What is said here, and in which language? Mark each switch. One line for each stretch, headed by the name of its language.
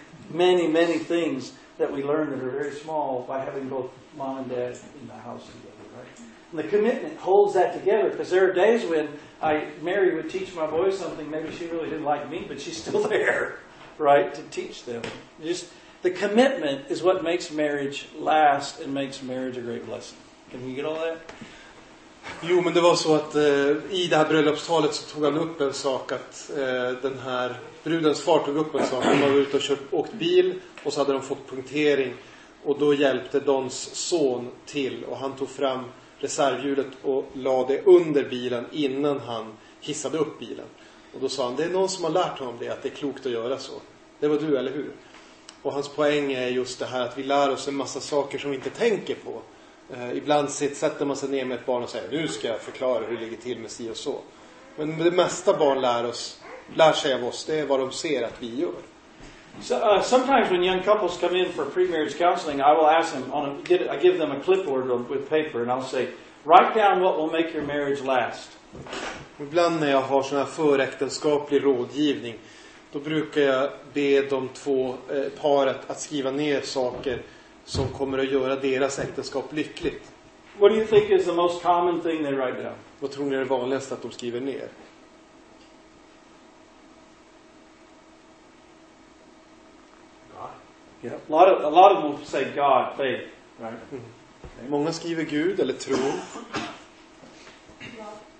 English: Many, many things that we learn that are very small by having both mom and dad in the house together, right? And the commitment holds that together, because there are days when Mary would teach my boys something, maybe she really didn't like me, but she's still there, right, to teach them. Just the commitment is what makes marriage last and makes marriage a great blessing. Can you get all that?
Swedish: Jo, men det var så att i det här bröllopstalet så tog han upp en sak att den här brudens far tog upp en sak. De var ute och åkt bil och så hade de fått punktering och då hjälpte Dons son till och han tog fram reservhjulet och la det under bilen innan han hissade upp bilen. Och då sa han, det är någon som har lärt honom det, att det är klokt att göra så. Det var du, eller hur? Och hans poäng är just det här att vi lär oss en massa saker som vi inte tänker på. Ibland sätter man sig ner med ett barn och säger, nu ska jag förklara hur det ligger till med si och så. Men det mesta barn lär sig av oss, det är vad de ser att vi gör.
English: So, sometimes when young couples come in for pre-marriage counseling, I will ask them, I give them a clipboard with paper and I'll say, write down what will make your marriage last.
Swedish: Ibland när jag har sån här föräktenskaplig rådgivning, då brukar jag be de två paret att skriva ner saker som kommer att göra deras äktenskap lyckligt.
English: What do you think is the most common thing they write down?
Swedish: Vad tror ni är det vanligaste att de skriver ner?
English: God. Yeah. A lot of them say God, faith, right?
Swedish: Mm. Okay. Många skriver Gud eller tro.
English: Love.